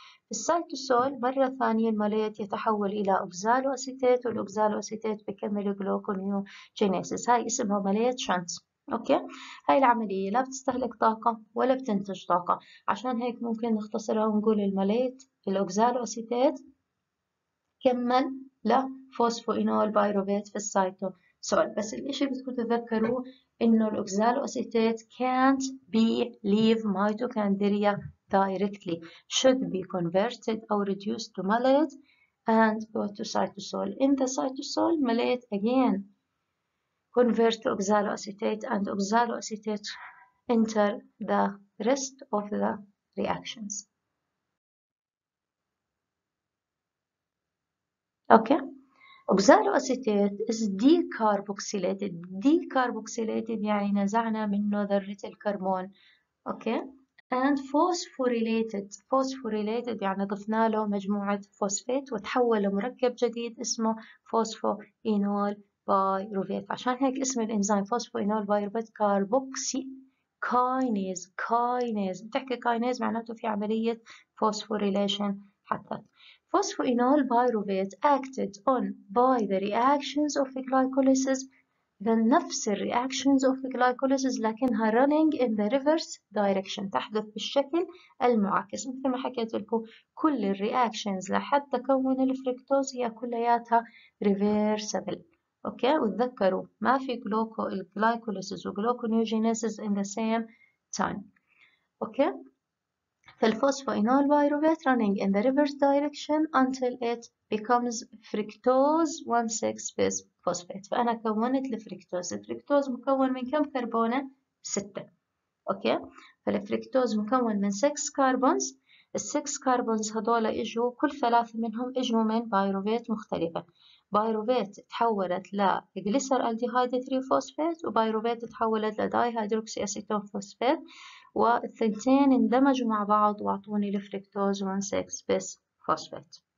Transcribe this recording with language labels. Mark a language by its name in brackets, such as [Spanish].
[Arabic] في السيتوسول مرة ثانية الماليت يتحول إلى أوكسالو أسيتات، والأوكسالو أسيتات بيكمل جلوكونيوجينيسيس. هاي اسمها ماليت شانس. أوكي، هاي العملية لا بتستهلك طاقة ولا بتنتج طاقة، عشان هيك ممكن نختصرها ونقول الماليت الأوكسالو أسيتات كمل لا فوسفوينول بايروفيت في السيتوسول. بس الاشي اللي بدكم تتذكروه انه الاوكسالو اسيتات [English] can't be leave mitochondria directly، should be converted or reduced to malate and go to cytosol. In the cytosol malate again convert to oxalo acetate and oxalo acetate enter the rest of the reactions. [Arabic] أوكي، أوكسالو أسيتات [English] is decarboxylated. [Arabic] decarboxylated يعني نزعنا منه ذرة الكربون. أوكي، [English] and phosphorylated. [Arabic] Phosphorylated يعني ضفنا له مجموعة فوسفيت وتحول لمركب جديد اسمه فوسفوينول بايروفيت. عشان هيك اسم الإنزيم فوسفوينول بايروفيت كاربوكسي كاينيز. كاينيز بتحكي كاينيز معناته في عملية فوسفوريليشن حدثت. [English] Phosphoenolpyruvate acted on by the reactions of glycolysis. The نفس الرياكشنز of glycolysis لكنها running in the reverse direction [Arabic] تحدث بالشكل المعاكس. مثل ما حكيت لكم كل الرياكشنز لحد تكون الفركتوز هي كلياتها reversible. اوكي وتذكروا ما في جلوكو الجلايكوليسيس وجلوكونيوجينيسيس [English] In the same time. Okay فالفوسفوينول pyruvate running in the reverse direction until it becomes fructose 1,6 bis phosphate. [Arabic] فأنا كونت الفركتوز. الفركتوز مكون من كم كربونة؟ 6. أوكي؟ فالفركتوز مكون من 6 كربونز. ال 6 كربونز هذول إجوا كل ثلاثة منهم إجوا من بايروفيت مختلفة. بايروفيت تحولت لجليسر ألديهايد 3 فوسفيت وبايروفيت تحولت لداي هيدروكسي أسيتون فوسفيت والثنتين اندمجوا مع بعض واعطوني الفركتوز 1,6 بس فوسفيت.